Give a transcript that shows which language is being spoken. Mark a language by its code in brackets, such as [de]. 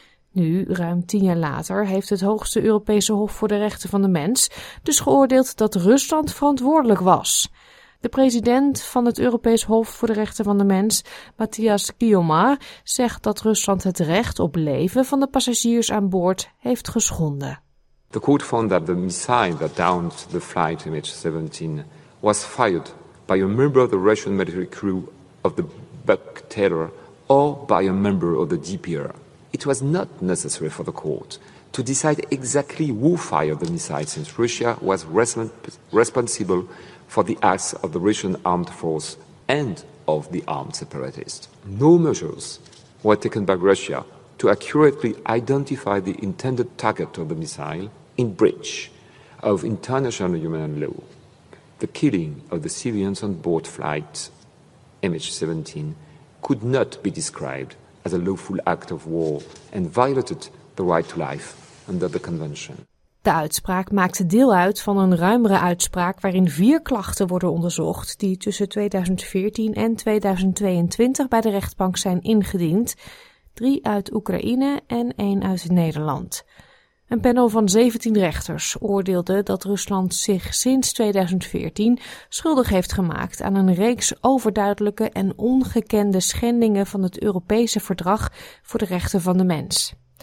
[nl] Nu, ruim 10 jaar later, heeft het hoogste Europese Hof voor de Rechten van de Mens dus geoordeeld dat Rusland verantwoordelijk was. De president van het Europees Hof voor de Rechten van de Mens, Matthias Kiomar, zegt dat Rusland het recht op leven van de passagiers aan boord heeft geschonden. [en] The court found that the missile that downed the flight MH17 was fired by a member of the Russian military crew of the Buk-Taylor or by a member of the DPR. It was not necessary for the court to decide exactly who fired the missile, since Russia was responsible for the acts of the Russian armed force and of the armed separatists. No measures were taken by Russia to accurately identify the intended target of the missile in breach of international human law. The killing of the civilians on board flight MH17 could not be described as a lawful act of war and violated the right to life under the convention. [nl] De uitspraak maakt deel uit van een ruimere uitspraak waarin 4 klachten worden onderzocht die tussen 2014 en 2022 bij de rechtbank zijn ingediend, 3 uit Oekraïne en 1 uit Nederland. Een panel van 17 rechters oordeelde dat Rusland zich sinds 2014 schuldig heeft gemaakt aan een reeks overduidelijke en ongekende schendingen van het Europese Verdrag voor de Rechten van de Mens.